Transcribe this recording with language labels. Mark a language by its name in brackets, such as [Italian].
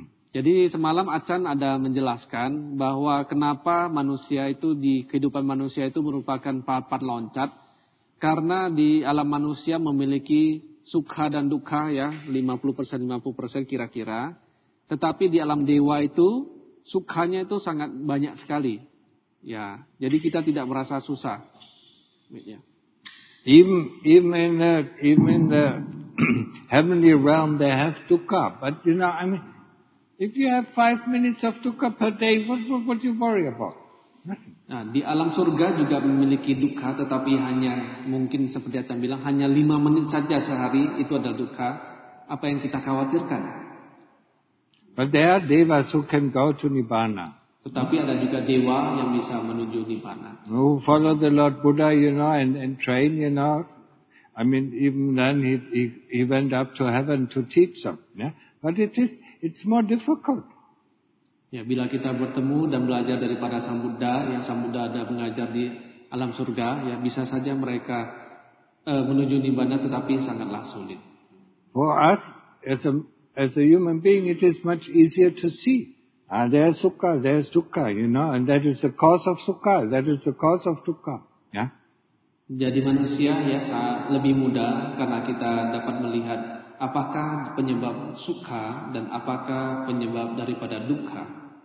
[Indonesian] Jadi semalam Achan ada menjelaskan bahwa kenapa manusia itu di kehidupan manusia itu merupakan papan loncat. Karena di alam manusia memiliki sukha dan dukkha ya 50% kira-kira. Tetapi di alam dewa itu sukhanya itu sangat banyak sekali. Ya, jadi kita tidak merasa susah. Ya. [English] Even in the heavenly realm they have dukkha, but you know I mean. If you have 5 minutes of dukkha per day, what you worry about? Nothing. [Indonesian] Nah, di alam surga juga memiliki dukkha, tetapi hanya mungkin seperti Acan bilang hanya 5 menit saja sehari itu adalah dukkha. Apa yang kita khawatirkan? [English] But there are devas who can go to nibbana. [Indonesian] Tetapi ada juga dewa yang bisa menuju nibbana. [English] Who follow the Lord Buddha, you know, and train, you know. I mean, even then he went up to heaven to teach them. Yeah? But it's more difficult. [Indonesian] Ya, bila kita bertemu dan belajar daripada Sang Buddha, yang Sang Buddha ada mengajar di alam surga, ya bisa saja mereka menuju nibbana, tetapi sangatlah sulit. [English] For us as a human being, it is much easier to see. There's sukha, there's dukkha, you know, and that is the cause of sukha, that is the cause of dukkha. Yeah. [Indonesian] Jadi manusia ya lebih mudah karena kita dapat melihat apakah penyebab sukha dan apakah penyebab daripada dukkha.